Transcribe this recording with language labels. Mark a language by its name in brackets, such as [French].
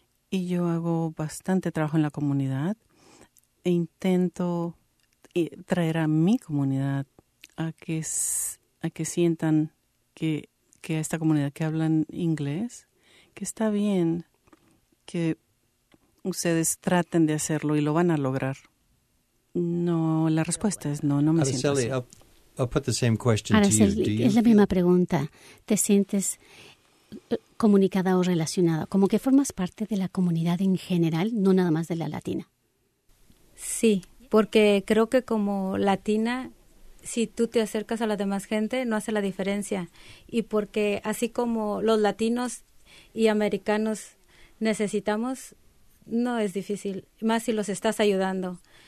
[Spanish] Y yo hago bastante trabajo en la comunidad. E intento traer a mi comunidad a que sientan que a esta comunidad que hablan inglés, que está bien que ustedes traten de hacerlo y lo van a lograr. No, la respuesta es no me siento así. [English] Araceli, I'll put the same question to you. [Spanish] Es la misma pregunta. ¿Te sientes comunicada o relacionada? ¿Como que formas parte de la comunidad en general, no nada más de la latina? Sí, porque creo que como latina, si tú te acercas a la demás gente, no hace la diferencia. Y porque así como los latinos y americanos necesitamos, no es difícil, más si los estás ayudando.